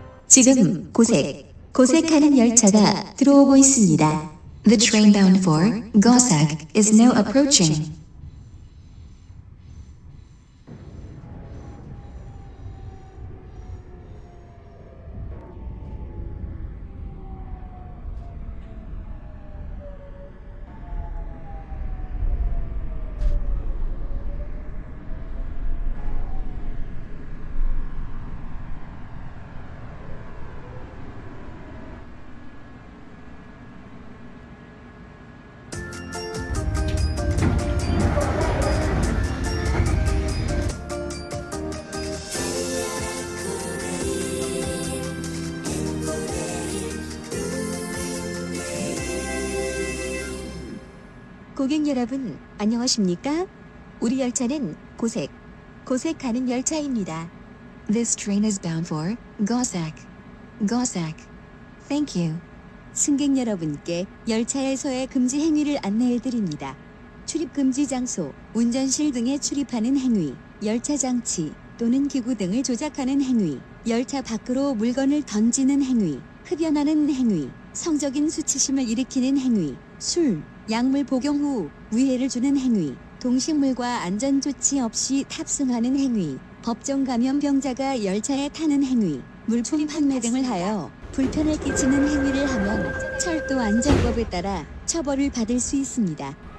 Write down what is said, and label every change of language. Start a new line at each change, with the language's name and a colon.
Korean: 지금 고색, 고색하는 열차가 들어오고 있습니다.
English: The train bound for Gosek is now approaching.
Korean: 고객 여러분, 안녕하십니까? 우리 열차는 고색, 고색 가는 열차입니다.
English: This train is bound for Gosek. Gosek. Thank you.
Korean: 승객 여러분께 열차에서의 금지 행위를 안내해 드립니다. 출입 금지 장소, 운전실 등에 출입하는 행위, 열차 장치 또는 기구 등을 조작하는 행위, 열차 밖으로 물건을 던지는 행위, 흡연하는 행위, 성적인 수치심을 일으키는 행위, 술, 약물 복용 후 위해를 주는 행위, 동식물과 안전조치 없이 탑승하는 행위, 법정 감염병자가 열차에 타는 행위, 물품 판매 등을 하여 불편을 끼치는 행위를 하면 철도 안전법에 따라 처벌을 받을 수 있습니다.